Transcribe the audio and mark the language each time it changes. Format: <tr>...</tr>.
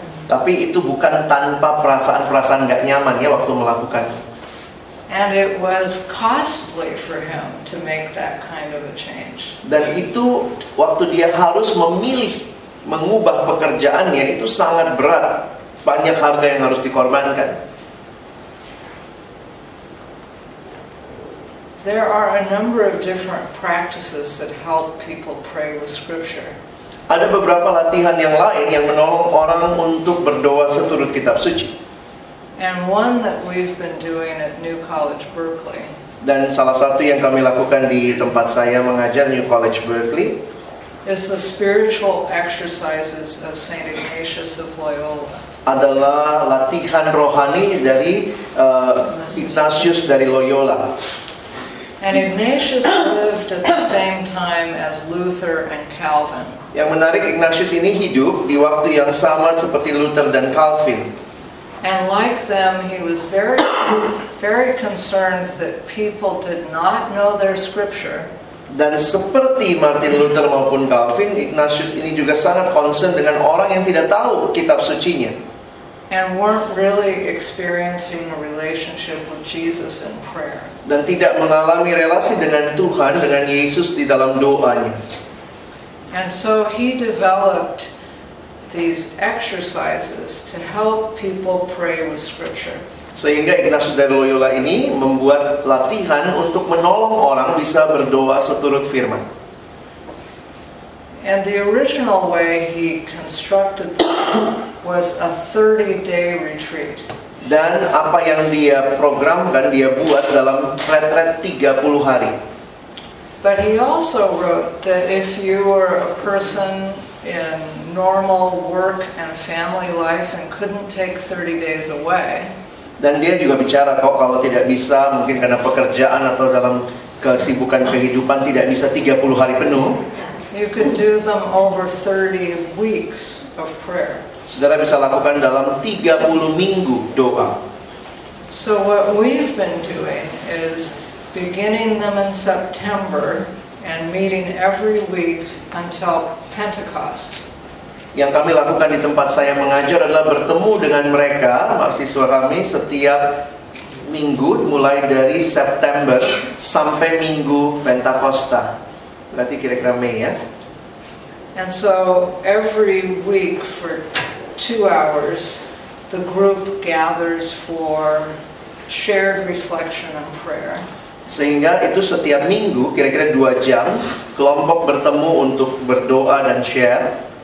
<id>Tapi itu bukan tanpa perasaan-perasaan enggak nyaman ya waktu melakukan.</id> <en>And it was costly for him to make that kind of a change.</en> <id>Dan itu waktu dia harus memilih mengubah pekerjaannya itu sangat berat. Banyak harga yang harus dikorbankan.</id> <en>There are a number of different practices that help people pray with scripture.</en> <id>Ada beberapa latihan yang lain yang menolong orang untuk berdoa seturut kitab suci.</id> <en>And one that we've been doing at New College Berkeley.</en> <id>Dan salah satu yang kami lakukan di tempat saya mengajar New College Berkeley</id> <en>is the spiritual exercises of Saint Ignatius of Loyola.</en> <id>Adalah latihan rohani dari Ignatius dari Loyola.</id> <en>And Ignatius lived at the same time as Luther and Calvin.</en> <id>Yang menarik, Ignatius ini hidup di waktu yang sama seperti Luther dan Calvin.</id> <en>And like them, he was very, very concerned that people did not know their scripture.</en> <id>Dan seperti Martin Luther maupun Calvin, Ignatius ini juga sangat concern dengan orang yang tidak tahu kitab sucinya.</id> <en>And weren't really experiencing a relationship with Jesus in prayer.</en> <id>Dan tidak mengalami relasi dengan Tuhan, dengan Yesus di dalam doanya.</id> <en>And so he developed these exercises to help people pray with scripture.</en> <id>Sehingga Ignatius dari Loyola ini membuat latihan untuk menolong orang bisa berdoa seturut firman.</id> <en>And the original way he constructed this was a 30-day retreat.</en> <id>Dan apa yang dia programkan, dia buat dalam retret 30 hari.</id> <en>But he also wrote that if you were a person in normal work and family life and couldn't take 30 days away.</en> <id>Dan dia juga bicara kok kalau tidak bisa, mungkin karena pekerjaan atau dalam kesibukan kehidupan tidak bisa 30 hari penuh.</id> <en>You could do them over 30 weeks of prayer.</en> <id>Saudara bisa lakukan dalam 30 minggu doa.</id> <en>So what we've been doing is beginning them in September and meeting every week until Pentecost.</en> <id>Yang kami lakukan di tempat saya mengajar adalah bertemu dengan mereka, mahasiswa kami, setiap minggu mulai dari September sampai minggu Pentakosta. Berarti kira-kira Mei ya.</id> <en>And so every week for 2 hours the group gathers for shared reflection and prayer.</en> <id>Sehingga itu setiap minggu kira-kira 2 jam kelompok bertemu untuk berdoa dan share.</id>